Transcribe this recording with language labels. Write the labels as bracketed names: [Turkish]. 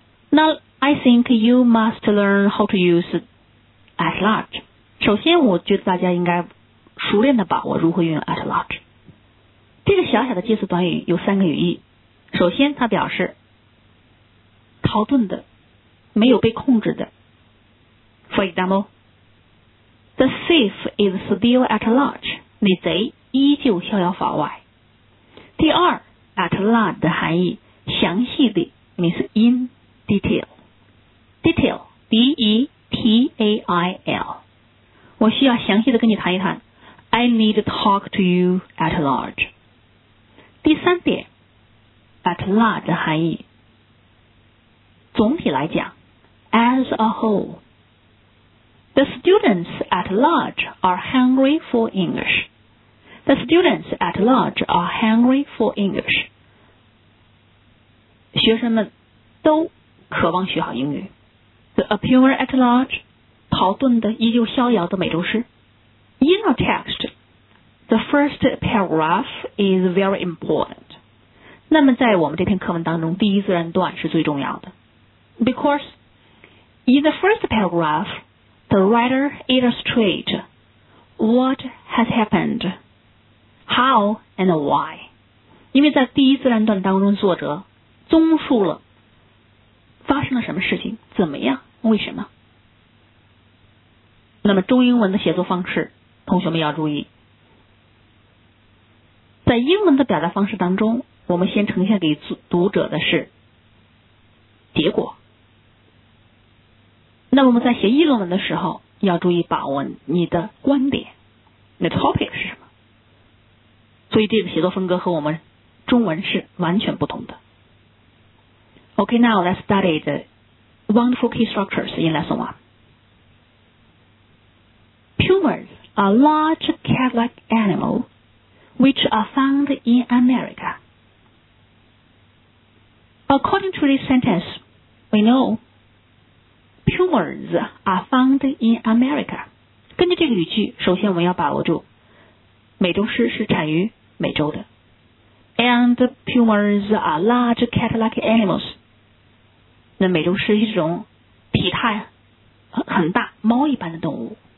[English] Now, I think you must learn how to use at large. [Chinese] 首先我觉得大家应该熟练地把握如何运用 at large。这个小小的介词短语有三个语义。首先它表示逃遁的，没有被控制的。 [English] For example, the thief is still at large. [Chinese] 那贼依旧逍遥法外。第二 at large 的含义详细的 [English] means in detail。 Detail, D-E-T-A-I-L。 [Chinese] 我需要详细的跟你谈一谈。 [English] I need to talk to you at large. [Chinese] 第三点 [English] at large [Chinese] 的含义总体来讲 [English] as a whole. The students at large are hungry for English. The students at large are hungry for English. [Chinese] 学生们都渴望学好英语。 [English] The appearer at large, [Chinese] 逃遁的依旧逍遥的美洲狮。 [English] In our text, the first paragraph is very important. [Chinese] 那么在我们这篇课文当中，第一自然段是最重要的。 [English] Because in the first paragraph, the writer illustrates what has happened, how and why. [Chinese] 因为在第一自然段当中，作者综述了发生了什么事情，怎么样，为什么。那么中英文的写作方式，同学们要注意，在英文的表达方式当中，我们先呈现给读者的是结果。那我们在写议论文的时候，要注意把握你的观点，你的 topic 是什么。所以这个写作风格和我们中文是完全不同的。 [English] OK, now let's study the wonderful key structures in lesson one. Pumas are large cat-like animal which are found in America. According to this sentence, we knowPumas are found in America. [Chinese] 根据这个语句，首先我们要把握住美洲狮是产于美洲的。 [English] And pumas are large cat-like animals. [Chinese] 那美洲狮是一种体态很大猫一般的动物。